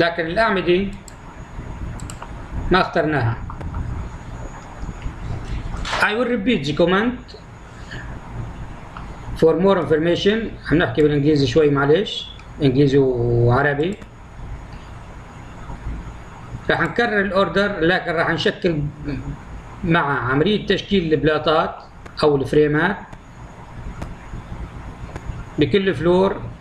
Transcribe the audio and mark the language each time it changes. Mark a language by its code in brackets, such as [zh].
[ar] لكن الأعمدة ما اخترناها. [en] I will repeat the command for more information. [ar] حنحكي بالانجليزي شوي، معلش انجليزي وعربي. راح نكرر الاوردر لكن راح نشكل مع عملية تشكيل البلاطات او الفريمات بكل فلور.